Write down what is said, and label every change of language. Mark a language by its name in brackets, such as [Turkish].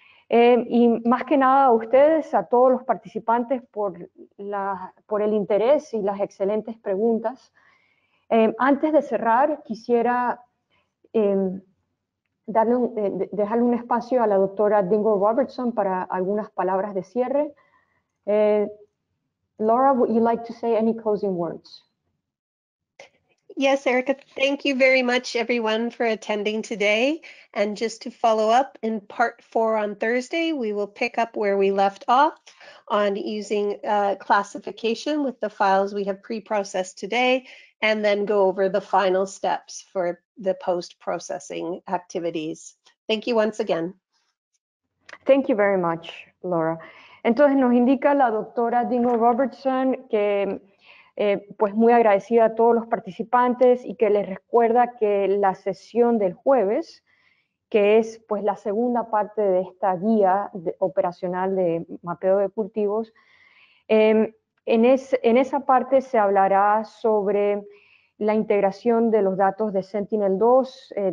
[Spanish] Y más que nada a ustedes, a todos los participantes, por el interés y las excelentes preguntas. Antes de cerrar, quisiera dejarle un espacio a la doctora Dingle Robertson para algunas palabras de cierre. [English] Laura, would you like to say any closing words? Yes, Erica, thank you very much, everyone, for attending today. And just to follow up, in part 4 on Thursday, we will pick up where we left off on using classification with the files we have pre-processed today, and then go over the final steps for the post-processing activities. Thank you once again. Thank you very much, Laura. [Spanish] Entonces nos indica la doctora Dingle Robertson que pues muy agradecida a todos los participantes y que les recuerda que la sesión del jueves, que es pues la segunda parte de esta guía operacional de mapeo de cultivos, en esa parte se hablará sobre la integración de los datos de Sentinel-2.